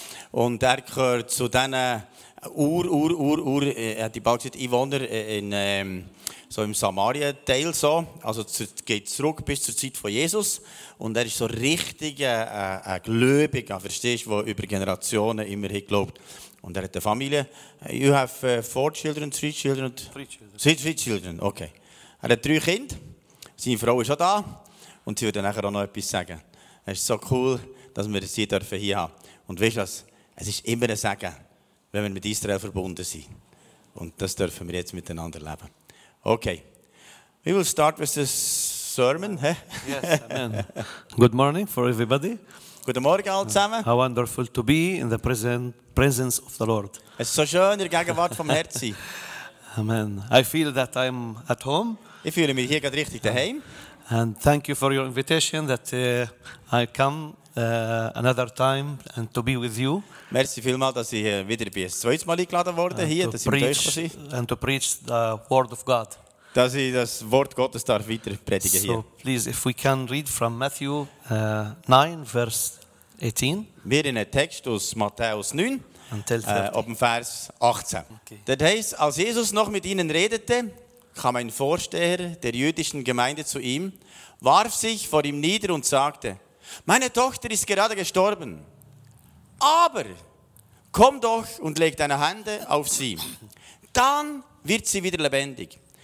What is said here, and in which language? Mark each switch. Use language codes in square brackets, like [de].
[de] Und er gehört zu diesen so im Samarien-Teil so. Also geht zurück bis zur Zeit von Jesus. Und er ist so richtig ein Gläubiger, verstehst du, der über Generationen immer hat geglaubt. Und er hat eine Familie. [en] You have four children, three children? Three children, okay. [de] Er hat drei Kinder, seine Frau ist auch da und sie wird dann auch noch etwas sagen. Es ist so cool, dass wir sie hier haben dürfen. Und weißt du was? Es ist immer ein Segen, wenn wir mit Israel verbunden sind. Und das dürfen wir jetzt miteinander leben. [en] Okay. We will start with the sermon. Yes, amen. Good morning for everybody. [de] Guten Morgen all zusammen. [en] How wonderful to be in the presence of the Lord. [de] Es ist so schön, in der Gegenwart vom Herz sein. [en] Amen. I feel that I'm at home. [de] Ich fühle mich hier gerade richtig daheim. [en] And thank you for your invitation that I come another time and to be with you. [de] Merci vielmal, dass ich wieder bei ein zweites Mal eingeladen worden hier, dass ich mit euch bin. [en] And to preach the word of God. [de] Dass ich das Wort Gottes darf weiter predigen hier. [en] So please, if we can read from Matthew 9, verse 18. [de] Wir in einem Text aus Matthäus 9. Ab dem Vers 18. Okay. Das heißt, als Jesus noch mit ihnen redete, kam ein Vorsteher der jüdischen Gemeinde zu ihm, warf sich vor ihm nieder und sagte, meine Tochter ist gerade gestorben, aber komm doch und leg deine Hände auf sie, dann wird sie wieder lebendig.